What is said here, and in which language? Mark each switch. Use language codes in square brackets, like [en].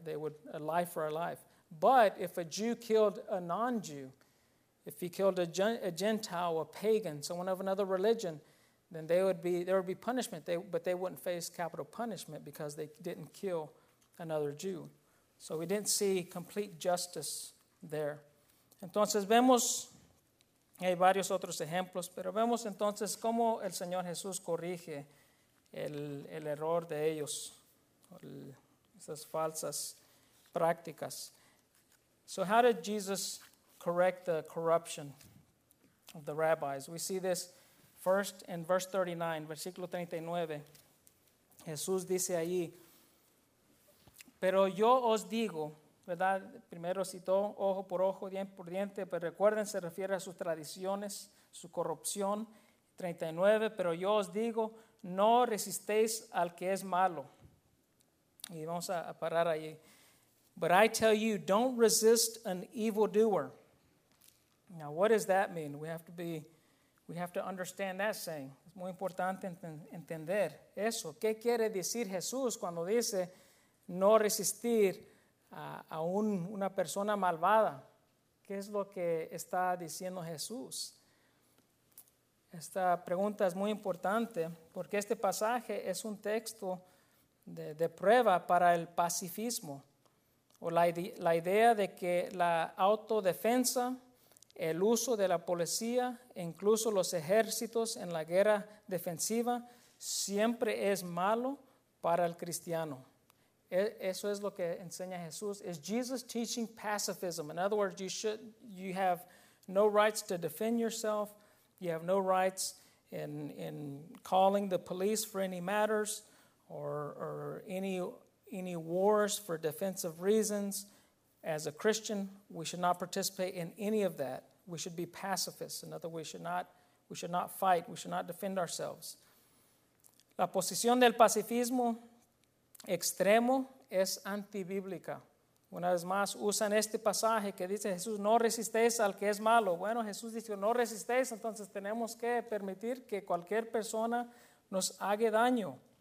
[en] They would a life for a life. But if a Jew killed a non-Jew, if he killed a Gentile, a pagan, someone of another religion, then there would be punishment. But they wouldn't face capital punishment because they didn't kill another Jew. So we didn't see complete justice there. [es] Entonces vemos, hay varios otros ejemplos, pero vemos entonces cómo el Señor Jesús corrige el error de ellos, esas falsas prácticas. [en] So how did Jesus correct the corruption of the rabbis? We see this first in verse 39, [es] versículo 39. Jesús dice ahí, pero yo os digo, ¿verdad? Primero citó ojo por ojo, diente por diente, pero recuerden, se refiere a sus tradiciones, su corrupción. 39, pero yo os digo, no resistéis al que es malo. Y vamos a parar ahí. [en] But I tell you, don't resist an evildoer. Now, what does that mean? We have to understand that saying. [es] Es muy importante entender eso. ¿Qué quiere decir Jesús cuando dice no resistir a una persona malvada? ¿Qué es lo que está diciendo Jesús? Esta pregunta es muy importante porque este pasaje es un texto de prueba para el pacifismo. O la idea de que la autodefensa, el uso de la policía, incluso los ejércitos en la guerra defensiva, siempre es malo para el cristiano. Eso es lo que enseña Jesús. [en] Is Jesus teaching pacifism? In other words, you have no rights to defend yourself. You have no rights in calling the police for any matters or any wars for defensive reasons. As a Christian, we should not participate in any of that. We should be pacifists. In other words, we should not fight. We should not defend ourselves. [es] La posición del pacifismo extremo es antibíblica. Una vez más, usan este pasaje que dice Jesús, no resistéis al que es malo. Bueno, Jesús dice, no resistéis, entonces tenemos que permitir que cualquier persona nos haga daño.